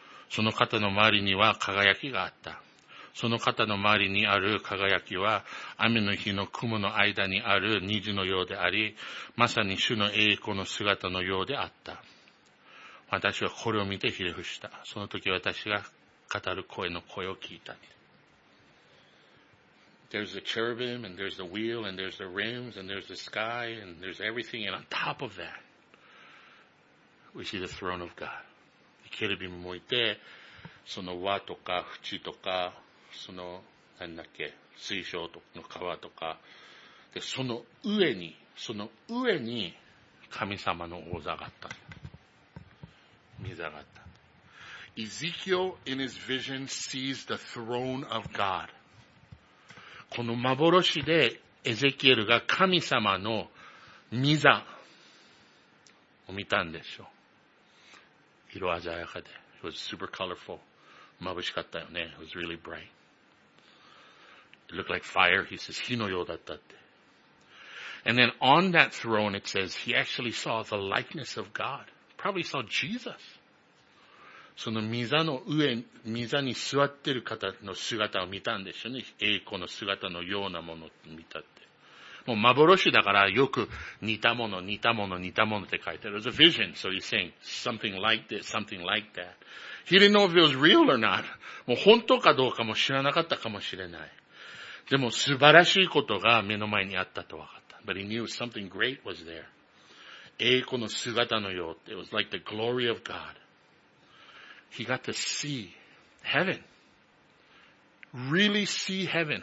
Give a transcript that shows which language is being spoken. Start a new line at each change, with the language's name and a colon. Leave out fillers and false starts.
Japanese: その肩の周りには輝きがあった。その肩の周りにある輝きは、雨の日の雲の間にある虹のようであり、まさに主の栄光の姿のようであった。私はこれを見てひれ伏した。その時私が語る声の声を聞いた。
English: There's the cherubim, and there's the wheel, and there's the rims, and there's the sky, and there's everything. And on top of that, we see the throne of God.
Japanese: ケルビムもいて、その輪とか縁とか、その、なんだっけ、水晶の川とか、で、その上に、その上に、神様の王座があった。水上がった。
English: Ezekiel in his vision sees the throne of God.
Japanese: この幻でエゼキエルが神様の御座を見たんでしょう。色鮮やかで。
English: It was super colorful.
Japanese: 眩しかったよね。
English: It was really bright. It looked like fire. He says,
Japanese: 火のようだったって。
English: And then on that throne, it says, he actually saw the likeness of God. Probably saw Jesus.
Japanese: その御座の上、御座に座ってる方の姿を見たんでしょうね。栄光の姿のようなものを見たって。もう幻だからよく似たもの、似たもの、似たものって書いてある。
English: It was a vision, so he's saying something like this, something like that. He didn't know if it was real or not.
Japanese: もう本当かどうかも知らなかったかもしれない。でも素晴らしいことが目の前にあったと分かった。
English: But he knew something great was there.
Japanese: 栄光の姿のようって。
English: It was like the glory of God. He got to see heaven. Really see heaven.